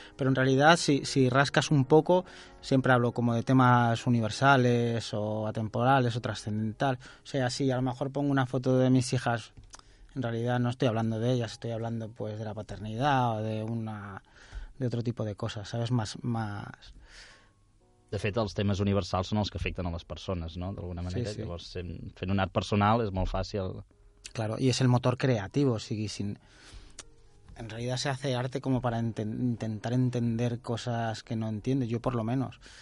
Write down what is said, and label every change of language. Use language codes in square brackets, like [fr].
[es] Pero en realidad, si rascas un poco, siempre hablo como de temas universales o atemporales o trascendental. O sea, si a lo mejor pongo una foto de mis hijas, en realidad no estoy hablando de ellas, estoy hablando pues de la paternidad o de otro tipo de cosas, ¿sabes? Más... [ca] De fet, els temes universals són els que afecten a les persones, no? D'alguna manera. Sí, sí. Llavors, fent un art personal és molt fàcil. [es] Claro, y es el motor creativo. [ca] O sigui, [es] en realidad se hace arte como para intentar entender cosas que no entiendes, yo por lo menos.